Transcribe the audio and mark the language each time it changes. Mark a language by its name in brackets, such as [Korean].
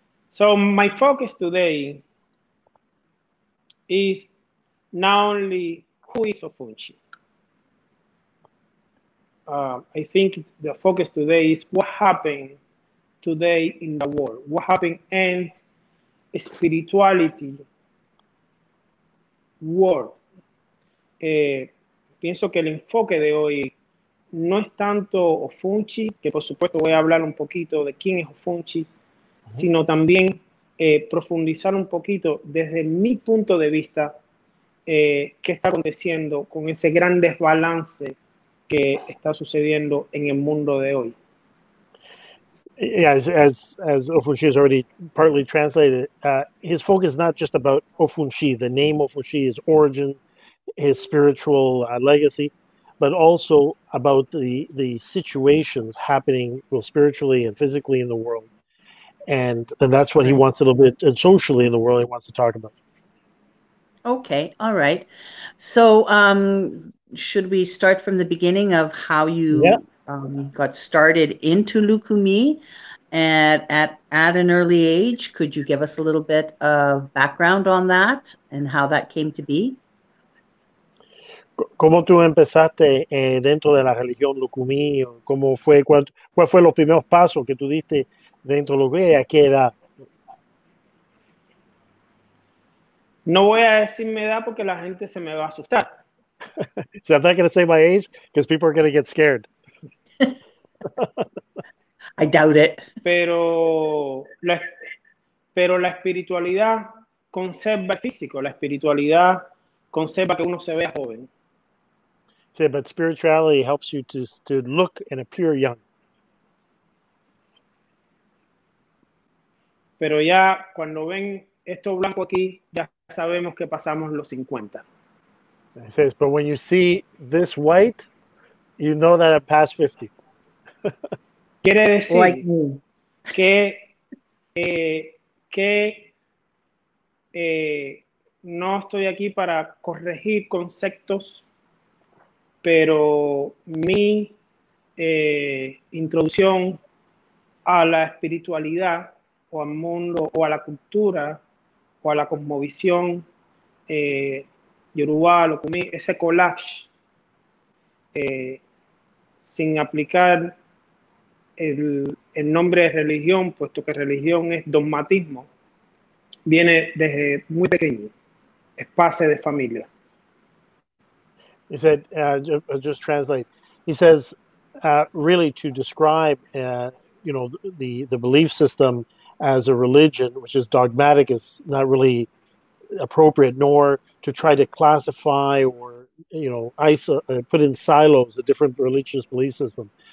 [English] So my focus today is not only who is Ofunchi. I think the focus today is what happened today in the world, what happened and spirituality world. [Spanish] Pienso que el enfoque de hoy no es tanto Ofunchi, que por supuesto voy a hablar un poquito de quién es Ofunchi, sino también profundizar un poquito desde mi punto de vista qué está aconteciendo con ese gran desbalance que está sucediendo en el mundo de hoy. [English] Yeah, as Ofunchi has already partly translated, his focus is not just about Ofunchi, the name Ofunchi, his origin, his spiritual legacy, but also about the situations happening both spiritually and physically in the world. And that's what he wants a little bit, and socially in the world, he wants to talk about. Okay, all right. So, should we start from the beginning of how you got started into lukumi at an early age? Could you give us a little bit of background on that and how that came to be? [Spanish] ¿Cómo tú empezaste dentro de la religión lukumi? ¿Cómo fue cuál fue los primeros pasos que tú diste? Dentro de lo que ella queda. No voy a decir mi edad porque la gente se me va a asustar. [English] So I'm not going to say my age because people are going to get scared. I doubt it. [Spanish] Pero la espiritualidad conserva el físico. La espiritualidad conserva que uno se vea joven. [English] Yeah, but spirituality helps you to look and appear young. [Spanish] Pero ya cuando ven esto blanco aquí, ya sabemos que pasamos los 50. [English] It says, but when you see this white, you know that I'm past 50. [Spanish] Quiere decir like que no estoy aquí para corregir conceptos, pero mi introducción a la espiritualidad o al mundo, o a la cultura, o a la cosmovisión, Yoruba, lo comí, ese collage, sin aplicar el nombre de religión, puesto que religión es dogmatismo, viene desde muy pequeño, es pase de familia. [English] He said, I'll just translate. He says, really to describe, you know, the belief system as a religion, which is dogmatic, is not really appropriate, nor to try to classify or, you know, put in silos a different religious belief system.